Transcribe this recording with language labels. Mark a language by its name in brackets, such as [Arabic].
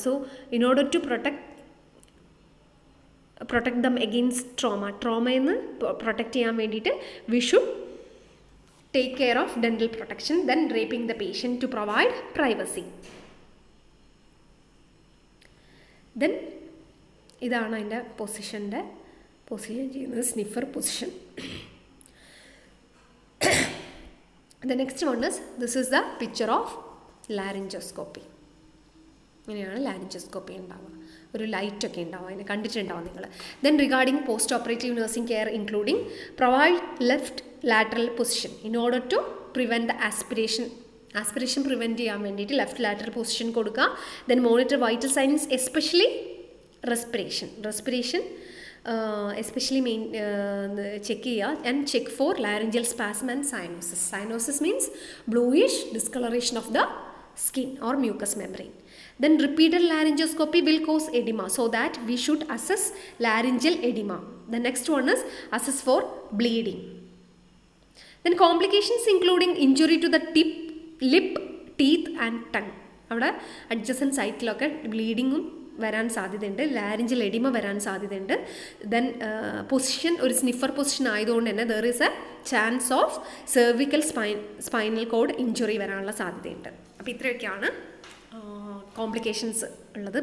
[English] so in order to protect them against trauma, [Malayalam] ട്രോമയെന്ന് protect ചെയ്യാൻ വേണ്ടിയിട്ട് [English] We should take care of dental protection. Then wrapping the patient to provide privacy. [Malayalam] Then ഇതാണ് അതിൻ്റെ പൊസിഷൻ്റെ position ചെയ്യുന്നത്, sniffer position. [English] The next one is, this is the picture of laryngoscopy. [Malayalam] ഇങ്ങനെയാണ് ലാരിഞ്ചോസ്കോപ്പി ഉണ്ടാവുക, ഒരു light ഒക്കെ ഉണ്ടാവുക, അതിനെ കണ്ടിട്ടുണ്ടാവും നിങ്ങൾ. [English] then regarding post operative nursing care including provide left lateral position in order to prevent the aspiration [Malayalam] prevent ചെയ്യാൻ വേണ്ടിയിട്ട് ലെഫ്റ്റ് ലാറ്ററൽ പൊസിഷൻ കൊടുക്കുക. [English] Then monitor vital signs especially respiration, especially main check and check for laryngeal spasm and cyanosis. Cyanosis means bluish discoloration of the skin or mucous membrane. Then repeated laryngoscopy will cause edema, so that we should assess laryngeal edema. The next one is assess for bleeding. Then complications including injury to the tip, lip, teeth and tongue. [Malayalam] അവിടെ adjacent സൈറ്റിലൊക്കെ ബ്ലീഡിങ്ങും വരാൻ സാധ്യതയുണ്ട്, laryngeal oedema വരാൻ സാധ്യതയുണ്ട്. Then position ഒരു sniffer position ആയതുകൊണ്ട് തന്നെ [English] there is a chance of cervical spinal cord injury [Malayalam] വരാനുള്ള സാധ്യതയുണ്ട്. അപ്പോൾ ഇത്രയൊക്കെയാണ് കോംപ്ലിക്കേഷൻസ് ഉള്ളത്.